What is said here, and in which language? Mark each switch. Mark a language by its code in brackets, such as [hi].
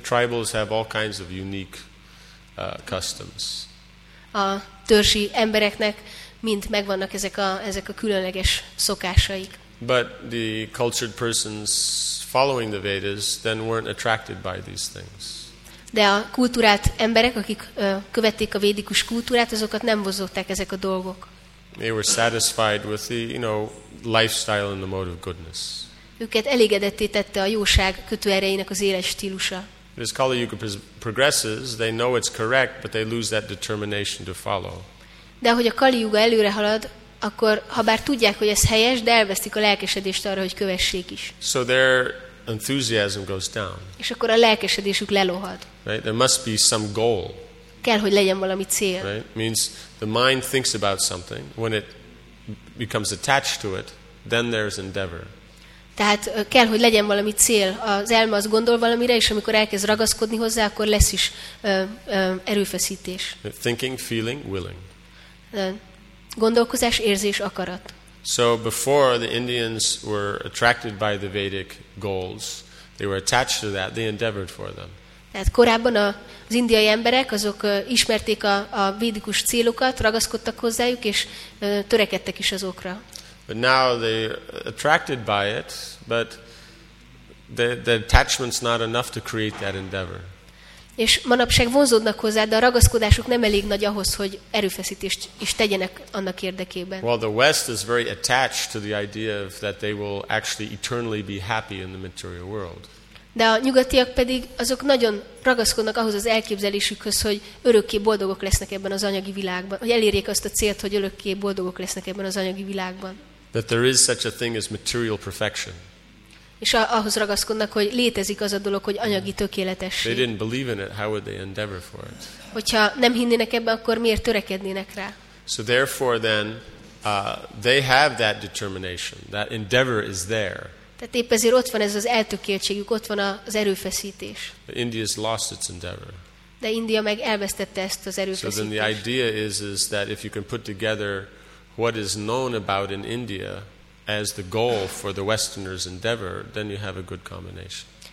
[en] The tribals have all kinds of unique customs. [hu] A törzsi embereknek mind megvannak ezek a különleges szokásaik. [en] But the cultured persons following the Vedas then weren't attracted by these things. [hu] De a kultúrált emberek, akik követték a védikus kultúrát, azokat nem vonzották ezek a dolgok. [en] They were satisfied with the, you know, lifestyle and the mode of goodness. [hu] Őket elégedetté tette a jóság kötőerejének az életstílusa. [en] As Kali Yuga progresses, they know it's correct, but they lose that determination to follow. [hu] De ahogy a Kali Yuga előre halad, akkor ha bár tudják, hogy ez helyes, de elvesztik a lelkesedést arra, hogy kövessék is. [en] So their enthusiasm goes down. [hu] És akkor a lelkesedésük lelohad. [en] Right? There must be some goal. [hu] Kell, hogy legyen valami cél. [en] Right? Means the mind thinks about something. When it becomes attached to it, then there's endeavor. [hu] Tehát kell, hogy legyen valami cél. Az elme az gondol valamire, és amikor elkezd ragaszkodni hozzá, akkor lesz is erőfeszítés. [en] Thinking, feeling, willing. [hu] Gondolkozás, érzés, akarat. [en] So before the Indians were attracted by the Vedic goals, they were attached to that, they endeavored for them. [hu] Tehát korábban az indiai emberek, azok ismerték a védikus célokat, ragaszkodtak hozzájuk, és törekedtek is azokra. [en] But now they're attracted by it, but the attachment's not enough to create that endeavor. [hu] És manapság vonzódnak hozzá, de a ragaszkodásuk nem elég nagy ahhoz, hogy erőfeszítést is tegyenek annak érdekében. [en] Well, the West is very attached to the idea of that they will actually eternally be happy in the material world. [hu] De a nyugatiak pedig azok nagyon ragaszkodnak ahhoz az elképzelésükhöz, hogy örökké boldogok lesznek ebben az anyagi világban, hogy elérjék azt a célt, hogy örökké boldogok lesznek ebben az anyagi világban. [en] That there is such a thing as material perfection. [hu] És ahhoz ragaszkodnak, hogy létezik az a dolog, hogy anyagi tökéletesség. [en] They didn't believe in it, how would they endeavor for it? [hu] Hogyha nem hinnének ebben, akkor miért törekednének rá? [en] So therefore then they have that determination, that endeavor is there. [hu] Tehát épp ezért ott van ez az eltökéltségük, ott van az erőfeszítés. [en] India's lost its endeavor. [hu] De India meg elvesztette ezt az erőfeszítést. [en] So then the idea is that if you can put together what is known about in India as the goal for the Westerners' endeavor, then you have a good combination.